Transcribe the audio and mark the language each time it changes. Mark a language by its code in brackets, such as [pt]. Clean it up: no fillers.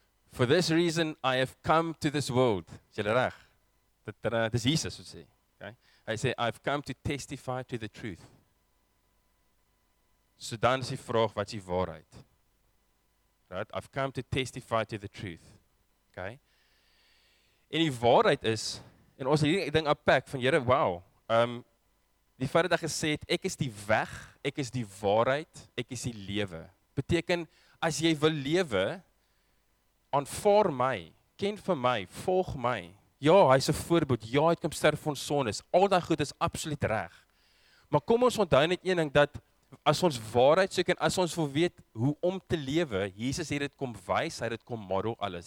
[en] For this reason I have come to this world. [af] Is jy reg? Dis Jesus wat sê. [en] Okay. [af] Hy sê [en] I've come to testify to the truth. [af] So dan is die vraag, wat is die waarheid? [en] Right? I've come to testify to the truth. [af] Okay. En die waarheid is, en ons hierdie ding unpack van Here, wow. Die Vader gesê het, ek is die weg, ek is die waarheid, ek is die lewe. Beteken, as jy wil lewe, aanvaar my, ken vir my, volg my. Ja, hy's 'n voorbeeld. Ja, hy kom sterf vir ons sondes. Al daai goed is absoluut reg. Maar kom ons onthou net een ding, dat as ons waarheid soek en as ons wil weet hoe om te lewe, Jesus het dit kom wys, hy het dit kom model alles.